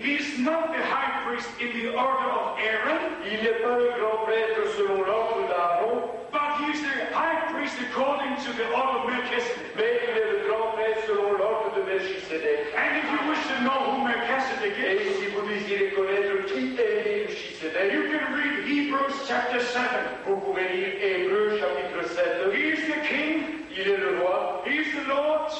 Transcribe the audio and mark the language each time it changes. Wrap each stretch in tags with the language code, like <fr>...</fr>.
<en>he is not the high priest in the order of Aaron.</en> <fr>Il n'est pas le grand prêtre selon l'ordre d'Aaron.</fr> <en>But he is the high priest according to the order of Melchizedek.</en> <fr>Mais il est le grand prêtre selon l'ordre de Melchizedek.</fr> <en>And if you wish to know who Melchizedek is,</en> <fr>et si vous désirez connaître qui est Melchizedek,</fr> <en>you can read Hebrews chapter 7.</en> <fr>Vous pouvez lire Hébreux chapitre 7.</fr> <en>He is the king.</en> <fr>Il est le roi.</fr> <en>He is the Lord.</en>